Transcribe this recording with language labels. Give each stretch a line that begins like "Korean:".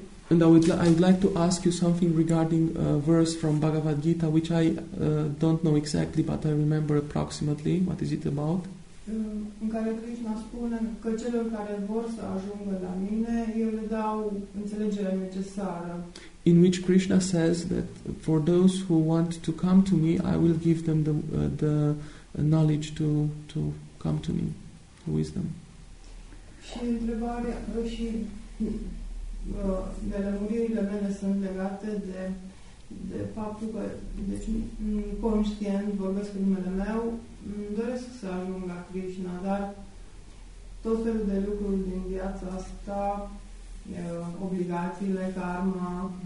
English: And I would like to ask you something regarding a verse from Bhagavad Gita, which I don't know exactly, but I remember approximately. What is it about?
Romanian: În care Krishna spune că celor care vor să ajungă la mine, eu le dau înțelegerea necesară.
English: In which Krishna says that for those who want to come to me, I will give them the knowledge to come to me, the wisdom.
Romanian: Și întrebarea, și de lămuririle mele sunt legate de faptul că, deci, conștient vorbesc în numele meu, doresc să ajung la Krishna, dar tot felul de lucruri din viața asta, obligațiile, karma.